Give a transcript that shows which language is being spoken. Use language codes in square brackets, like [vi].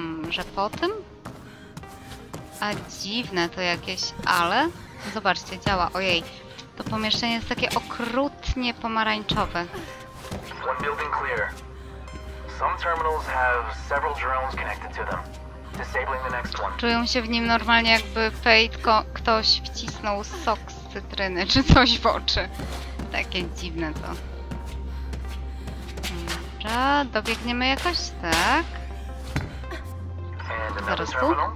[pl] Że po tym? A dziwne to jakieś, ale... Zobaczcie, działa. Ojej. To pomieszczenie jest takie okrutnie pomarańczowe. [en] One building clear. Some terminals have several drones connected to them. Disabling the next one. [pl] Czują się w nim normalnie, jakby Fate ktoś wcisnął sok z cytryny czy coś w oczy. Takie dziwne to. Dobra, dobiegniemy jakoś, tak? Zaraz tu?